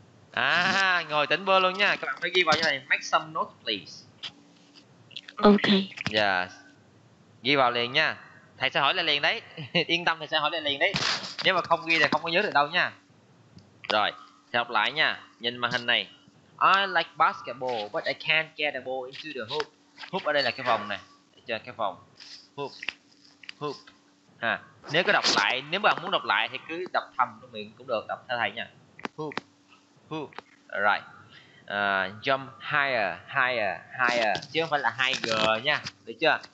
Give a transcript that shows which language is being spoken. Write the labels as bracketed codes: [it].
[vi] À, ngồi tỉnh bơ luôn nha. Các bạn phải ghi vào như này. [en] Make some notes, please. Okay. [vi] Yes. Ghi vào liền nha. Thầy sẽ hỏi lại liền đấy. Yên tâm, thầy sẽ hỏi lại liền đấy. Nếu mà không ghi thì không có nhớ được đâu nha. Rồi, thầy học lại nha. Nhìn màn hình này. [en] I like basketball, but I can't get the ball into the hoop. [vi] Hoop ở đây là cái vòng này. Để chơi cái vòng. Hoop. Hoop. Ha. Nếu có đọc lại, nếu bạn muốn đọc lại thì cứ đọc thầm trong miệng cũng được. Đọc theo thầy nha. [en] Hoop. Hoop. Alright. Jump higher, higher, higher. [vi] Chứ không phải là 2G nha. Được chưa?